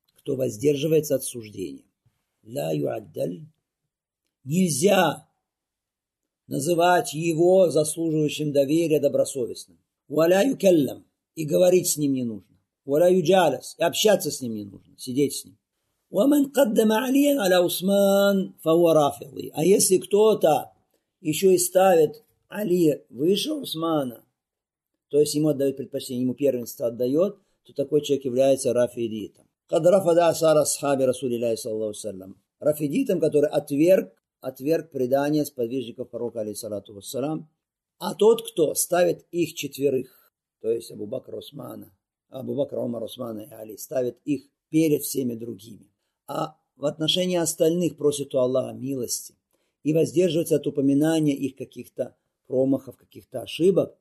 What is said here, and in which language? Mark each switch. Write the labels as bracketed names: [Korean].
[Russian] Кто воздерживается от суждения. [Arabic] Ла юаддаль. [Russian] Нельзя называть его заслуживающим доверия добросовестным. [Arabic] Ва ля юкаллам. [Russian] И говорить с ним не нужно. [Arabic] ولا يجالس، [Russian] общаться с ним не нужно, сидеть с ним. [Arabic] ومن قدم علي على عثمان فهو رافضي. [Russian] А если кто-то еще и ставит Али выше Усмана, то есть ему отдает предпочтение, ему первенство отдает, то такой человек является рафидитом. [Arabic] قد رفض أثار أصحاب رسول الله صلى الله عليه وسلم. [Russian] Рафидитом, который отверг предание сподвижников пророка, алейхиссалату вассалам. А тот, кто ставит их четверых, то есть Абу-Бакр, Усмана, Абу-Бакр, Умар, Усмана и Али, ставит их перед всеми другими. А в отношении остальных просит у Аллаха милости и воздерживается от упоминания их каких-то промахов, каких-то ошибок.